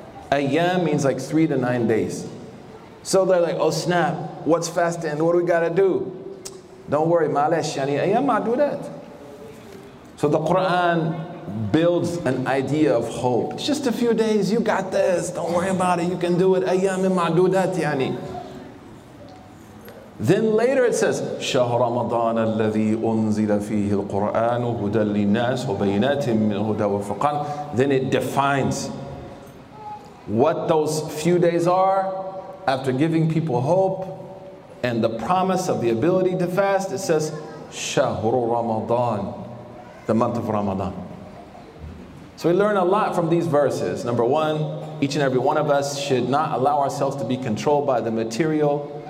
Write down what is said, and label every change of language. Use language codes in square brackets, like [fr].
[en] أَيَّام means like 3 to 9 days. So they're like, oh snap, what's fasting? What do we gotta do? Don't worry, ma'alesh, yani ayyam ma'dudat. So the Quran builds an idea of hope. It's just a few days, you got this, don't worry about it, you can do it. Ayyam ma'dudat, yani. Then later it says, [ar] شهر رمضان الذي أنزل فيه القرآن هدى للناس وبينات من هدى وفرقان. [en] Then it defines what those few days are. After giving people hope and the promise of the ability to fast, it says, شهر رمضان, the month of Ramadan. So we learn a lot from these verses. Number one, each and every one of us should not allow ourselves to be controlled by the material.